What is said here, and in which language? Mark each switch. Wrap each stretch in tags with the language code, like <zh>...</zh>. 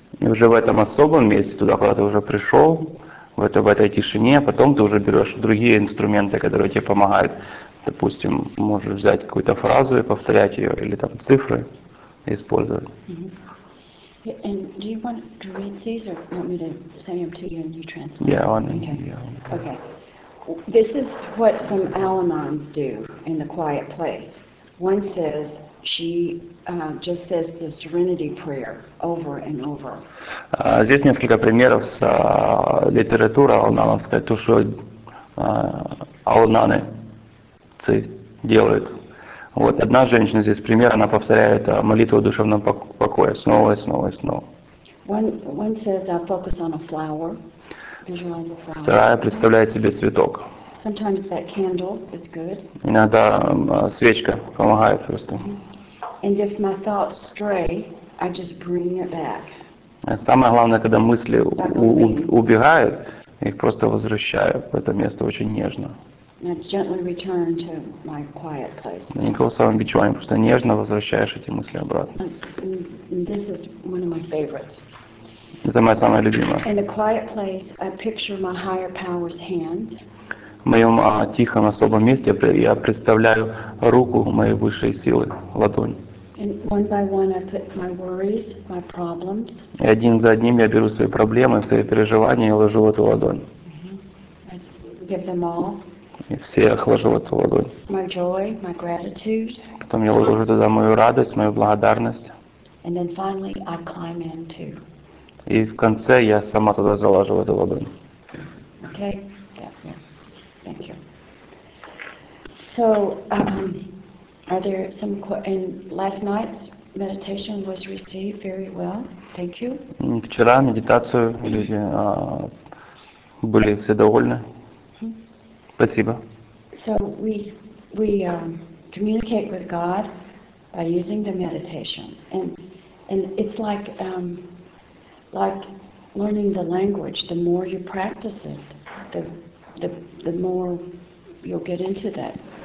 <ru>И уже в этом особом месте, туда, куда ты уже пришел, в этой тишине, потом ты уже берешь другие инструменты, которые тебе помогают. Допустим, можешь взять какую-то фразу и повторять ее, или там цифры использовать. Mm-hmm.</ru> <en>And do you want to read these, or want me to say them to you and you translate? Yeah, I want to. Okay. Yeah. Okay. This is what some Al-Anons do in the quiet place. One says, she just says the serenity prayer over and over.</en> <ru>Здесь несколько примеров с литературы Ал-Анонской, то, что Ал-Анонцы делают. Вот одна женщина здесь пример, она повторяет молитву о душевном покое снова и снова и снова.</ru> <en>One says, I focus on a flower.</en> <ru>Вторая представляет себе цветок.</ru> <en>Sometimes that candle is good.</en> <ru>Иногда свечка помогает просто.</ru> <en>And if my thoughts stray, I just bring it back.</en> <ru>Самое главное, когда мысли убегают, их просто возвращаю в это место очень нежно.</ru> <en>I gently return to my quiet place.</en> <ru>Никакого самобичевания, просто нежно возвращаешь эти мысли обратно.</ru> <en>And this is one of my favorites.</en> <ru>Это моя самая любимая.</ru> <en>In a quiet place, I picture my higher power's hand.</en> <ru>В моем тихом особом месте я представляю руку моей высшей силы, ладонь.</ru> <en>And one by one, I put my worries, my problems.</en> <ru>И один за одним я беру свои проблемы, свои переживания и ложу в эту ладонь.</ru> <en>Mm-hmm. I give them all.</en> <ru>и все я вложу в эту ладонь.</ru> <en>My joy, my gratitude.</en> <ru>Потом я вложу туда мою радость, мою благодарность.</ru> <en>And then finally I climb in too.</en> <ru>И в конце я сама туда заложу в эту ладонь.</ru> <en>Okay. Yeah, yeah. Thank you. So, are there some and last night's meditation was received very well. Thank you.</en> <ru>Вчера медитацию люди были все довольны. Спасибо.</ru> <en>So we communicate with God by using the meditation, and it's like learning the language. The more you practice it, the more you'll get into that.</en>